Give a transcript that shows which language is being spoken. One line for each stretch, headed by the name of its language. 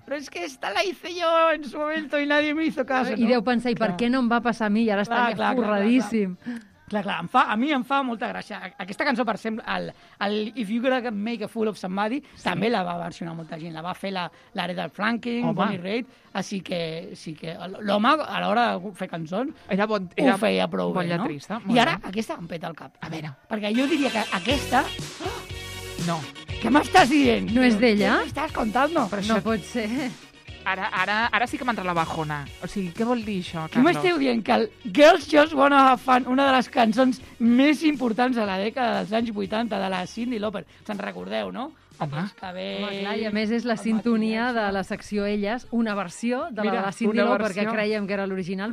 Catalan: Però és que
Spanish: esta la hice yo en su momento y nadie me hizo caso.
Catalan: I deu pensar, i per què no em va passar a mi? I ara estaria forradíssim. Clar, a mi em fa molta gràcia. Aquesta cançó, per exemple, el If You Gotta Make a Fool of Somebody, també la va versionar molta gent. La va fer l'Aretha Franklin, Bonnie Raitt, així que sí que l'home, a l'hora de fer cançons, era ho feia prou bon bé, lletrista, no? I ara aquesta em peta el cap. A veure. Perquè jo diria que aquesta... No. Què m'estàs dient? No és d'ella? Què m'estàs contant-me? No això... pot ser... Ara sí que m'entra la bajona. O sigui, què vol dir això, Carlos? Com esteu dient que el Girls Just Wanna Have Fun, una de les cançons més importants de la dècada dels anys 80, de la Cyndi Lauper, se'n recordeu, no? Home, clar, i a més és la sintonia de la secció Elles, una versió de la de Cyndi Lauper, que creiem que era l'original.